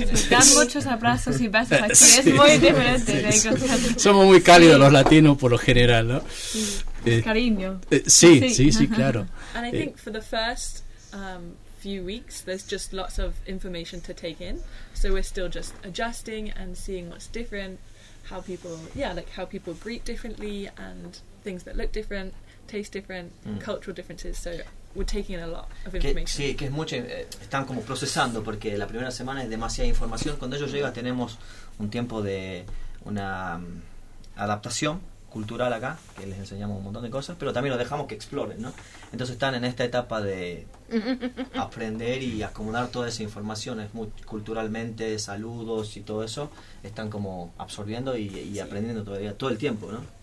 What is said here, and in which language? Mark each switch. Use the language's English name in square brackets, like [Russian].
[Spanish] Dan muchos abrazos y besos aquí, sí, es muy diferente. Sí, sí. Somos muy cálidos, sí, los latinos por lo general, ¿no? Cariño. Sí, claro. [English] And I think for the first few weeks, there's just lots of information to take in, so we're still just adjusting and seeing what's different, how people, yeah, like how people greet differently and things that look different, taste different, cultural differences, so... We're taking in a lot of information. [Spanish] Sí, que es mucho, están como procesando, porque la primera semana es demasiada información. Cuando ellos llegan, tenemos un tiempo de una adaptación cultural acá, que les enseñamos un montón de cosas, pero también los dejamos que exploren, ¿no? Entonces están en esta etapa de aprender y acomodar toda esa información, es muy, culturalmente, saludos y todo eso, están como absorbiendo y sí, aprendiendo todavía todo el tiempo, ¿no?